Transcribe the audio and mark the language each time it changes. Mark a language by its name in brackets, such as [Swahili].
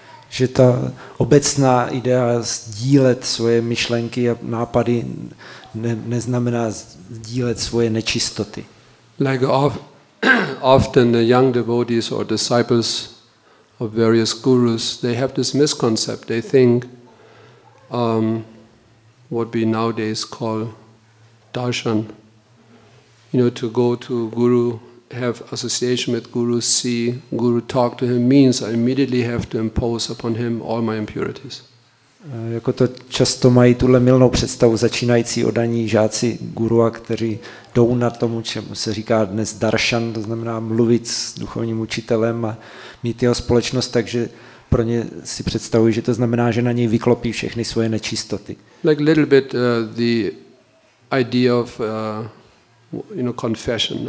[Czech] Že ta obecná idea sdílet svoje myšlenky a nápady neznamená sdílet svoje nečistoty. [English] Like often the young devotees or disciples of various gurus, they have this misconception. They think what we nowadays call darshan. You know, to go to a guru, have association with guru, see guru, talk to him, means I immediately have to impose upon him all my impurities. [Czech] Jako to často mají tuhle mylnou představu začínající odaní žáci gurua, kteří jdou na tomu, čemu se říká dnes darshan, to znamená mluvit s duchovním učitelem a mít jeho společnost, takže pro ně si představují, že to znamená, že na něj vyklopí všechny svoje nečistoty. [English] Like little bit the idea of you know, confession.